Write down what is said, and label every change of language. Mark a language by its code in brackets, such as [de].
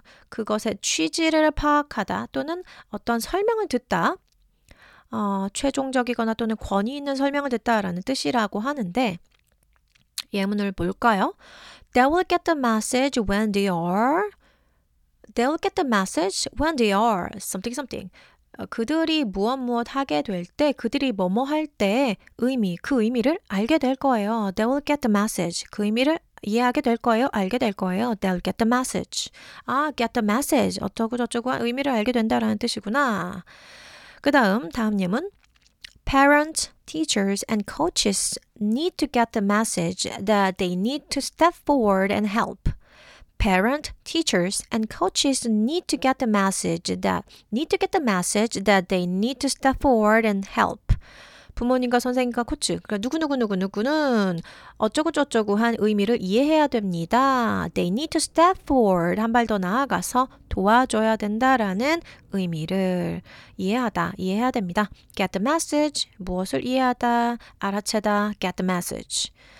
[ko] 그것의 취지를 파악하다 또는 어떤 설명을 듣다. 최종적이거나 또는 권위 있는 설명을 듣다라는 뜻이라고 하는데 예문을 볼까요? [en] They will get the message when they are something something. [ko] 그들이 무엇 무엇 하게 될 때, 그들이 뭐뭐 할 때 의미, 그 의미를 알게 될 거예요. [en] They will get the message. [ko] 그 의미를 이해하게 될 거예요. 알게 될 거예요. [en] They'll get the message. [ko] 아, get the message. 어쩌고저쩌고 의미를 알게 된다라는 뜻이구나. 그 다음 다음 예문 [en] Parents, teachers, and coaches need to get the message that they need to step forward and help. Parents, teachers, and coaches need to get the message that need to get the message that they need to step forward and help. [ko] 부모님과 선생님과 코치, 그러니까 누구누구누구누구는 어쩌고저쩌고 한 의미를 이해해야 됩니다. [en] They need to step forward, [ko] 한 발 더 나아가서 도와줘야 된다라는 의미를 이해하다, 이해해야 됩니다. [en] Get the message, [ko] 무엇을 이해하다, 알아채다, [en] get the message.